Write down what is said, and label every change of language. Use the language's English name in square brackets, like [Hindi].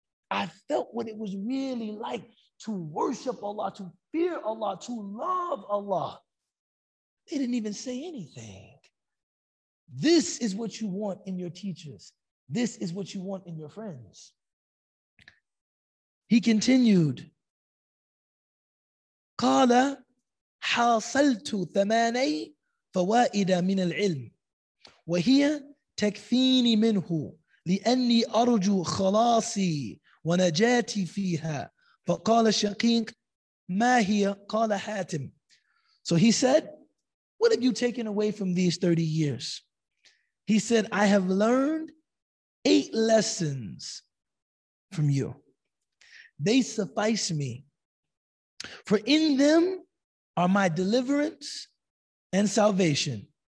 [English] I felt what it was really like to worship Allah, to fear Allah, to love Allah. They didn't even say anything. This is what you want in your teachers. This is what you want in your friends. He continued, [Arabic] قَالَ حَاصَلْتُ ثَمَانَي فَوَائِدَ مِنَ الْعِلْمِ وَهِيَ تَكْفِينِ مِنْهُ لِأَنِّي أَرْجُو خَلَاصِي وَنَجَاتِي فِيهَا فَقَالَ شَقِيقٌ مَا هِيَ قَالَ حَاتِمٌ. [English] So he said, what have you taken away from these 30 years? He said, I have learned 8 lessons from you. They suffice me. For in them are my deliverance and salvation.